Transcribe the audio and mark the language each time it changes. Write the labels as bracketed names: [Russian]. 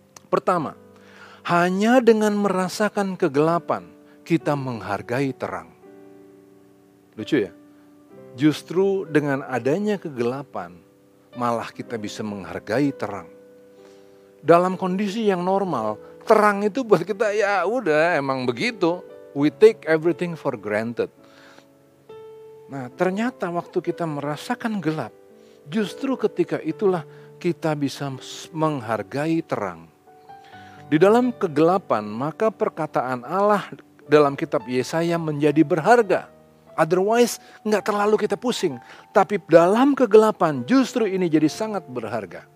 [Indonesian] Pertama, hanya dengan merasakan kegelapan, kita menghargai terang. Lucu ya? Justru dengan adanya kegelapan, malah kita bisa menghargai terang. Dalam kondisi yang normal, terang itu buat kita, ya udah emang begitu. [English] We take everything for granted. [Indonesian] Nah, ternyata waktu kita merasakan gelap, justru ketika itulah kita bisa menghargai terang. Di dalam kegelapan, maka perkataan Allah dalam kitab Yesaya menjadi berharga. Otherwise, gak terlalu kita pusing. Tapi dalam kegelapan, justru ini jadi sangat berharga.